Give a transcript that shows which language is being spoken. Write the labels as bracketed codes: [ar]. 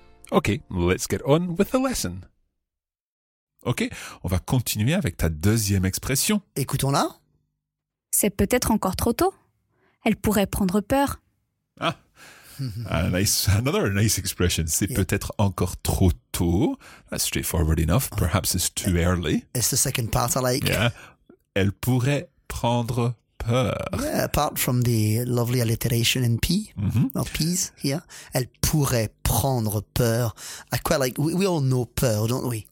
[en] Okay, let's get on with the lesson. [fr] Okay, on va continuer avec ta deuxième expression. Écoutons-la. C'est peut-être encore trop tôt. Elle pourrait prendre peur. [en] Ah, another nice expression. [fr] C'est peut-être encore trop tôt. [en] That's straightforward enough. Perhaps it's too early. It's the second part I like. Yeah. [fr] Elle pourrait prendre peur. [en] Yeah, apart from the lovely alliteration in P, mm-hmm. or P's here, [fr] elle pourrait prendre peur. [en] I quite like, we all know peur, don't we?